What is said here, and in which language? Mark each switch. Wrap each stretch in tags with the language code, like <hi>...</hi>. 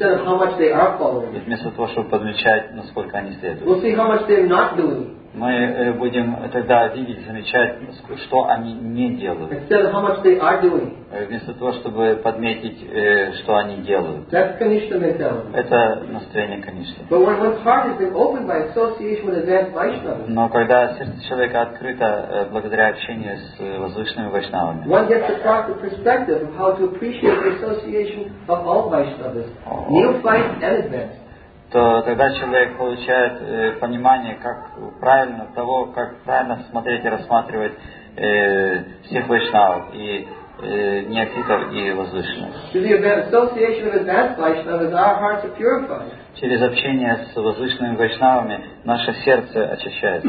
<ru>И вместо того, чтобы подмечать, насколько они следуют. мы будем тогда видеть, замечать, что они не делают.</ru> <en>Instead of how much they are doing.</en> <ru>Вместо того, чтобы подметить, что они делают.</ru> <en>That's Kanishna mentality.</en> <ru>Это настроение Kanishna.</ru> <en>But when one's heart has been opened by association with advanced Vaishnavas.</en> <ru>Но когда сердце человека открыто благодаря общению с возвышенными Вайшнавами.</ru> <en>One gets a proper perspective of how to appreciate the association of all Vaishnavas, neophyte and advanced.</en> <ru>То тогда человек получает понимание, как правильно того, как правильно смотреть и рассматривать всех вайшнавов, и неофитов, и возвышенных. Через общение с возвышенными вайшнавами наше сердце очищается.</ru>